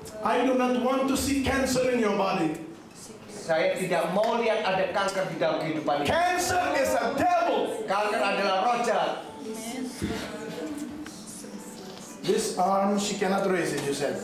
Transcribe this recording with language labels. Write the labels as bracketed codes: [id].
[en] I do not want to see cancer in your body. [id] Saya tidak mau lihat ada kanker di dalam kehidupan ini. [en] Cancer is a devil. [id] Kanker adalah roh jahat. [en] This arm she cannot raise it, you said.